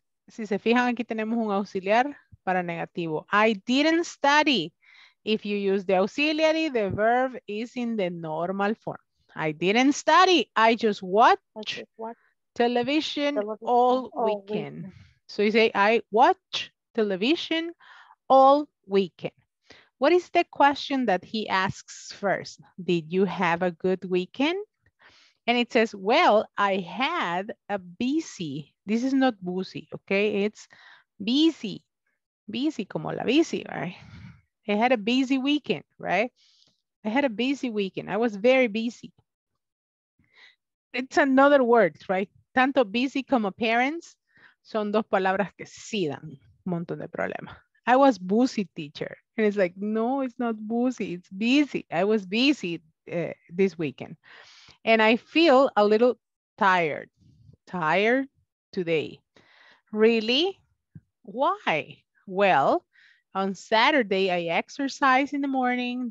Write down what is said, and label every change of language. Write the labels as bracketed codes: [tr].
[es] Si se fijan, aquí tenemos un auxiliar para negativo. [en] I didn't study. If you use the auxiliary, the verb is in the normal form. I didn't study. I just watched television all weekend. So you say, I watch television all weekend. What is the question that he asks first? Did you have a good weekend? And it says, well, I had a busy. This is not busy, okay? It's busy. Busy [es] como la bici, [en] right? I had a busy weekend, right? I had a busy weekend. I was very busy. It's another word, right? [es] Tanto busy como parents son dos palabras que sí dan un montón de problemas. [en] I was busy, teacher. And it's like, no, it's not busy, it's busy. I was busy this weekend. And I feel a little tired. Tired today. Really? Why? Well, on Saturday, I exercised in the morning.